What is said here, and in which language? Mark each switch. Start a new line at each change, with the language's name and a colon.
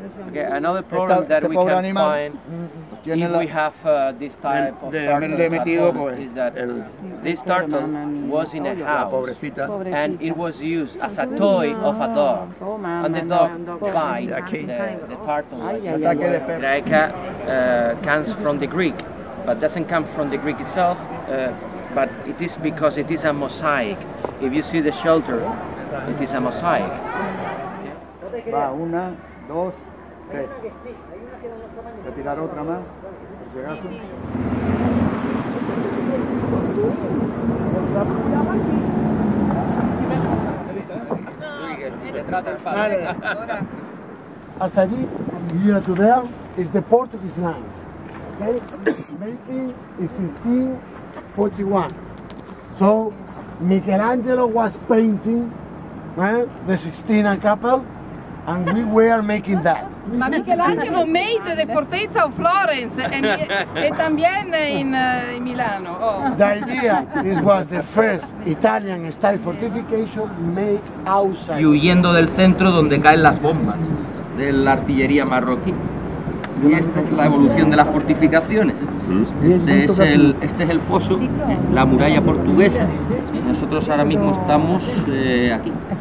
English: okay, another problem that we can find if we have this type of turtles at home is that this turtle was in a house and it was used as a toy of a dog, and the dog bite the turtle. Graeca comes from the Greek, but doesn't come from the Greek itself, but it is because it is a mosaic. If you see the shelter, it is a mosaic.
Spanish: Va una, dos. Voy a tirar otra más, por si acaso. Hasta allí,
English: here to there, is the Portuguese land. Okay? Making in 1541. So, Michelangelo was painting, right, the Sistine Chapel, and we were making that. But Michelangelo made the Fortezza of Florence and
Spanish: también
English: in Milano. The idea, this was the first Italian style fortification made outside.
Spanish: Y huyendo del centro donde caen las bombas de la artillería marroquí. Y esta es la evolución de las fortificaciones. Este es el foso, la muralla portuguesa. Y nosotros ahora mismo estamos aquí.